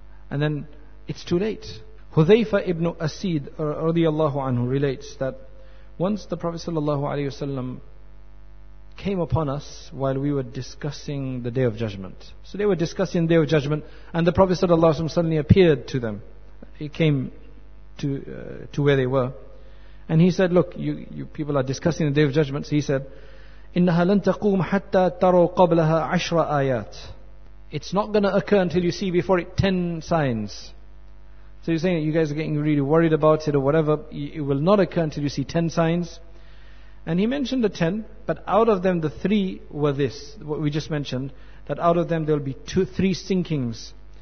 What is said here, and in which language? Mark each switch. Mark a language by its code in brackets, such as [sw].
[en] And then it's too late. Hudhayfa ibn Asid radiallahu anhu relates that once the Prophet sallallahu alayhi wasallam came upon us while we were discussing the Day of Judgment. So they were discussing the Day of Judgment, and the Prophet sallallahu alayhi wasallam suddenly appeared to them. He came to where they were, and he said, look, you people are discussing the Day of Judgment. So he said, [ar] إِنَّهَا لَن تَقُومْ حَتَّى تَرَوْ قَبْلَهَا عَشْرَ آيَاتٍ. [en] It's not going to occur until you see before it 10 signs. So you're saying that you guys are getting really worried about it or whatever. It will not occur until you see 10 signs. And he mentioned the 10, but out of them the 3 were this, what we just mentioned, that out of them there will be three sinkings.